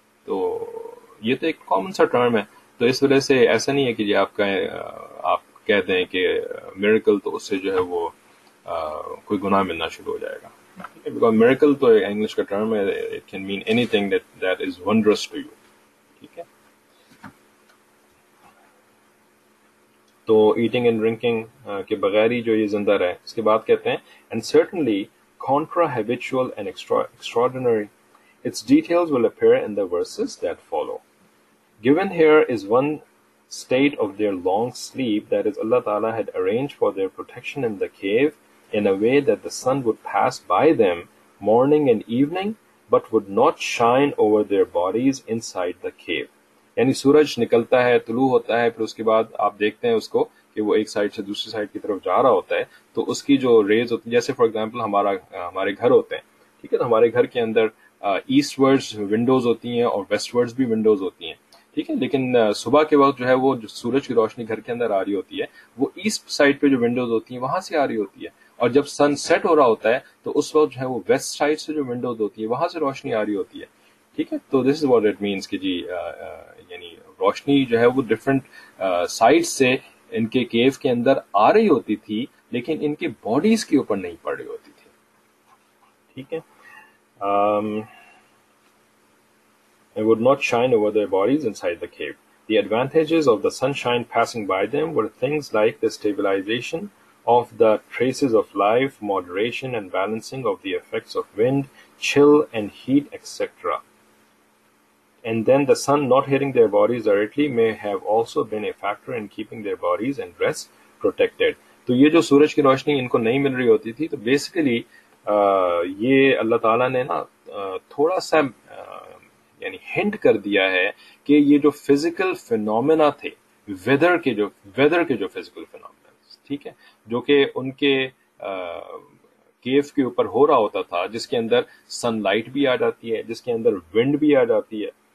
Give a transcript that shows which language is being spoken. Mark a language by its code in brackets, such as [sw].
[hi] तो ये तो एक कॉमन सा टर्म है, तो इस वजह से ऐसा नहीं है कि जी आपका आप कह दें कि मिरेकल, तो उससे जो है वो कोई गुनाह मिलना शुरू हो जाएगा, ठीक है, बिकॉज मिरेकल तो इंग्लिश का टर्म है, [en] it can mean anything that that is wondrous to you, [hi] ठीक है। [en] तो eating and drinking [hi] के बगैर ही जो ये जिंदा रहे, इसके बाद कहते हैं [en] And certainly contra habitual and extraordinary its details will appear in the verses that follow. Given here is one state of their long sleep that is Allah Ta'ala had arranged for their protection in the cave in a way that the sun would pass by them morning and evening but would not shine over their bodies inside the cave. [hi] यानी सूरज निकलता है, तुलू होता है, फिर उसके बाद आप देखते हैं उसको कि वो एक साइड से दूसरी साइड की तरफ जा रहा होता है, तो उसकी जो रेज होती है, जैसे फॉर एग्जाम्पल हमारा हमारे घर होते हैं, ठीक है, तो हमारे घर के अंदर ईस्ट वर्ड्स विंडोज होती हैं और वेस्ट वर्ड्स भी विंडोज होती हैं, ठीक है, लेकिन सुबह के वक्त जो है वो जो सूरज की रोशनी घर के अंदर आ रही होती है वो ईस्ट साइड पे जो विंडोज होती है वहां से आ रही होती है, और जब सनसेट हो रहा होता है तो उस वक्त जो है वो वेस्ट साइड से जो विंडोज होती है वहां से रोशनी आ रही होती है, ठीक है। तो [en] this is what it means [hi] कि जी यानी रोशनी जो है वो डिफरेंट साइड से इनके केव के अंदर आ रही होती थी लेकिन इनके बॉडीज के ऊपर नहीं पड़ रही होती थी, ठीक है। [en] It would not shine over their bodies inside the cave. The advantages of the sunshine passing by them were things like the stabilization of the traces of life, moderation and balancing of the effects of wind, chill and heat, etc. And then the sun not hitting their bodies directly may have also been a factor in keeping their bodies and dress protected. [hi] तो ये जो सूरज की रोशनी इनको नहीं मिल रही होती थी, तो basically ये अल्लाह ताला ने ना थोड़ा सा यानी हिंट कर दिया है कि ये जो फिजिकल फिनोमेना थे, वेदर के जो फिजिकल फिनोमेना, ठीक है, जो कि उनके केव के ऊपर हो रहा होता था, जिसके अंदर सनलाइट भी आ जाती है, जिसके अंदर विंड भी आ जाती है,